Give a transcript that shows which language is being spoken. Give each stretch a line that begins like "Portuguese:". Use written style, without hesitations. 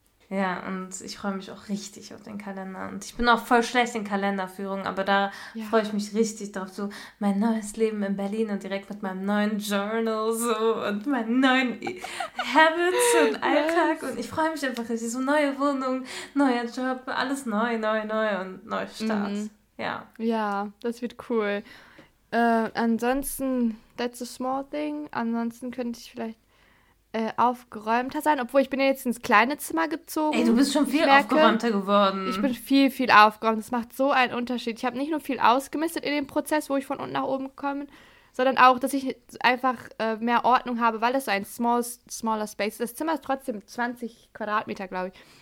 German: Ja, und ich freue mich auch richtig auf den Kalender. Und ich bin auch voll schlecht in Kalenderführung, aber da freue ich mich richtig drauf. So mein neues Leben in Berlin und direkt mit meinem neuen Journal so und meinen neuen Habits und Alltag. Und ich freue mich einfach richtig. So neue Wohnung, neuer Job, alles neu, neu, neu und Neustart. Mhm. Ja. Ja, das wird cool.
English: Ansonsten, that's a small thing.
German: Ansonsten könnte ich vielleicht aufgeräumter sein, obwohl ich bin ja jetzt ins kleine Zimmer gezogen. Ey, du bist schon viel aufgeräumter geworden. Ich bin viel, viel aufgeräumt. Das macht so einen Unterschied. Ich habe nicht nur viel ausgemistet in dem Prozess, wo ich von unten nach oben gekommen bin, sondern auch, dass ich einfach mehr Ordnung habe, weil das so ein smaller Space ist. Das Zimmer ist trotzdem 20 Quadratmeter, glaube ich.